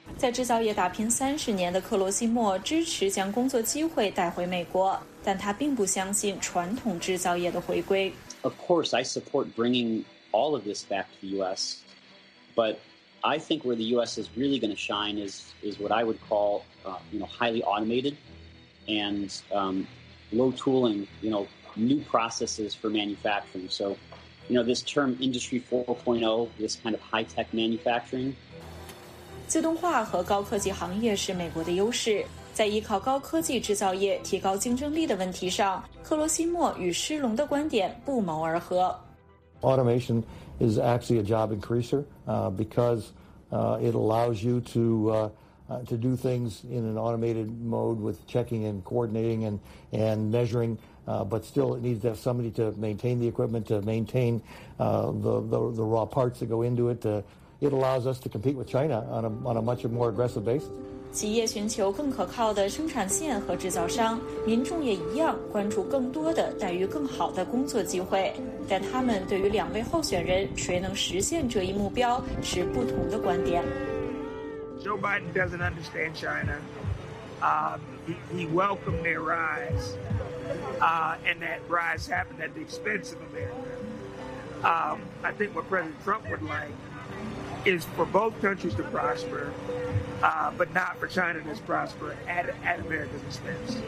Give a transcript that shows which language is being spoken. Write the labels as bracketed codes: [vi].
[zh] 在制造业打拼30年的克罗西莫支持将工作机会带回美国，但他并不相信传统制造业的回归。 [en] Of course, I support bringing all of this back to the U.S., but I think where the U.S. is really going to shine is what I would call, highly automated and low tooling, you know, new processes for manufacturing. So, you know, this term Industry 4.0, this kind of high-tech manufacturing. [zh] 自动化和高科技行业是美国的优势，在依靠高科技制造业提高竞争力的问题上，克罗西莫与施龙的观点不谋而合。 [en] Automation is actually a job increaser, because it allows you to do things in an automated mode with checking and coordinating and measuring, but still it needs to have somebody to maintain the equipment, to maintain the raw parts that go into it, It allows us to compete with China on a much more aggressive basis. [zh] 企业寻求更可靠的生产线和制造商，民众也一样关注更多的待遇更好的工作机会。但他们对于两位候选人谁能实现这一目标持不同的观点。 [en] Joe Biden doesn't understand China. He welcomed their rise, and that rise happened at the expense of America. I think what President Trump would like is for both countries to prosper, but not for China to prosper at America's expense.